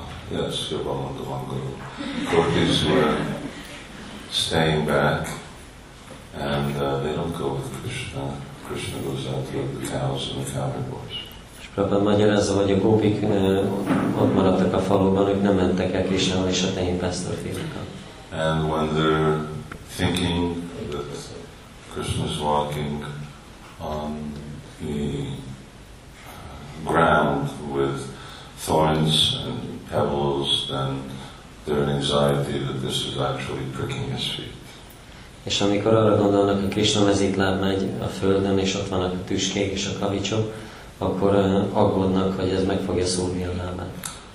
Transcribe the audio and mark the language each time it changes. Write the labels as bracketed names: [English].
[English] Yes, you're well on the one go. Gopis were staying back and they don't go with Krishna. Krishna goes out to the cows and the cowboys boys. [Hungarian] És Prabhupada magyarázza, hogy a gopik ott maradtak a faluban, ők nem mentek el Krishnával és a tehénpásztor fiúkkal. [English] And when they're thinking that Krishna's walking on the ground with thorns and pebbles, then their anxiety that this is actually pricking his feet. [Hungarian] És amikor arra gondolnak, hogy Krishna mezítláb megy a földön, és ott vannak a tüskék és a kavicsok, akkor aggódnak, hogy ez meg fogja szúrni a lábát.